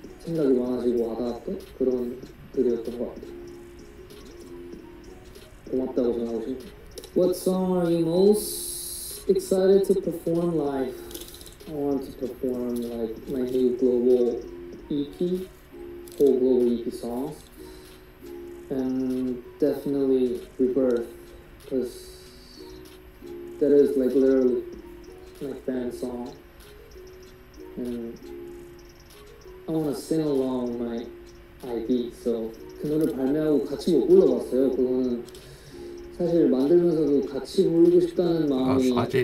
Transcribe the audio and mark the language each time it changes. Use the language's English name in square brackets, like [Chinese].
[Korean] 생각이 많아지고 와닿았던 그런 글이었던 것 같아요. 고맙다고 전하고 싶어요. [English] What song are you most excited to perform live. I want to perform like my new global EP, whole global EP songs, and definitely Rebirth, because that is like literally my fan song, and I want to sing along my ID. So [Korean] 그 노래 발매하고 같이 못 불러봤어요. 그거는 사실 만들면서도 같이 부르고 싶다는 마음이